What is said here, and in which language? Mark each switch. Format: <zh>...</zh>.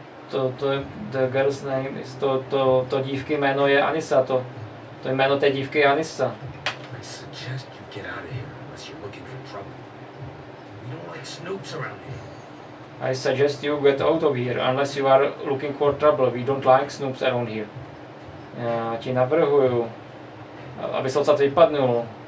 <en>To the girl's name is</en> <cs>to dívky jméno je Anissa, to jméno té dívky je Anissa.</cs> <en>I suggest you get out of here unless you're looking for trouble. We don't like snoops around here. I suggest you get out of here unless you are looking for trouble. We don't like snoops around here.</en> <cs>Já ti navrhuju, aby se odsad vypadnul.</cs>